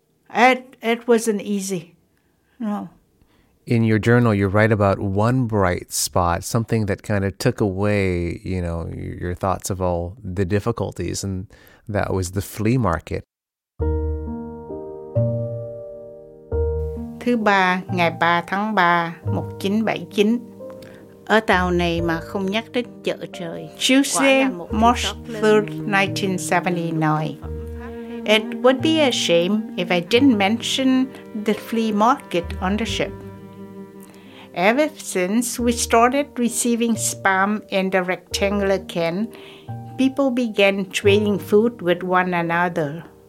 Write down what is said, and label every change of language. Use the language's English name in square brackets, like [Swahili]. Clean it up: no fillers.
[English] It wasn't easy, no. In your journal, you write about one bright spot, something that kind of took away, you know, your thoughts of all the difficulties, and that was the flea market. [Vietnamese] Thứ ba, ngày 3 tháng 3, 1979, ở tàu này mà không nhắc đến chợ trời. [English] Tuesday, March 3rd, 1979. It would be a shame if I didn't mention the flea market on the ship. Ever since we started receiving spam in the rectangular can, people began trading food with one another.